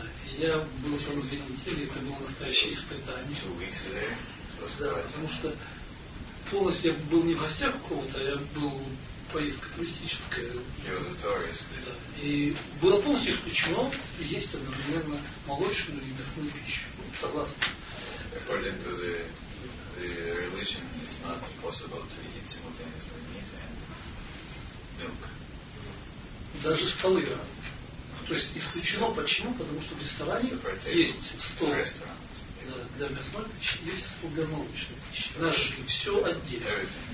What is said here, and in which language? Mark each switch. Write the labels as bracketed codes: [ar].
[ru] Я был там 2 недели, это было настоящее испытание. [en] 2 weeks there. [ru] Да, потому что полностью я был не в гостях у кого-то, я был поездка туристическая. [en] He was a tourist. [ru] Да. И было полностью исключено есть одновременно молочную и мясную пищу. Согласен. [en] According to the religion, it's not possible to eat simultaneously meat and milk. [ru] Даже столы. То есть исключено почему? Потому что в ресторане есть стол для мясной пищи, есть стол для молочной пищи. Ножи, все отдельно.